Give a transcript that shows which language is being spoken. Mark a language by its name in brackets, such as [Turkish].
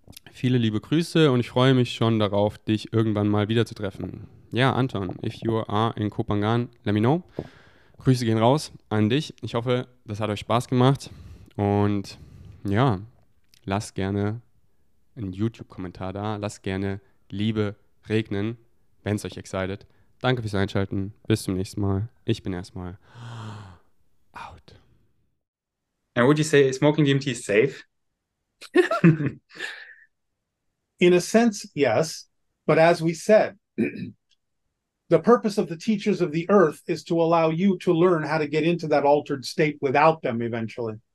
[German] Viele liebe Grüße und ich freue mich schon darauf, dich irgendwann mal wieder zu treffen. Ja, [English] Anton, if you are in Kopangan, let me know. [German] Grüße gehen raus an dich. Ich hoffe, das hat euch Spaß gemacht. Und ja, lasst gerne einen YouTube-Kommentar da. Lasst gerne Liebe regnen, wenn es euch excited. Danke fürs Einschalten. Bis zum nächsten Mal. Ich bin erstmal out. [English] And would you say smoking DMT is safe? In a sense, yes, but as we said, the purpose of the teachers of the earth is to allow you to learn how to get into that altered state without them eventually.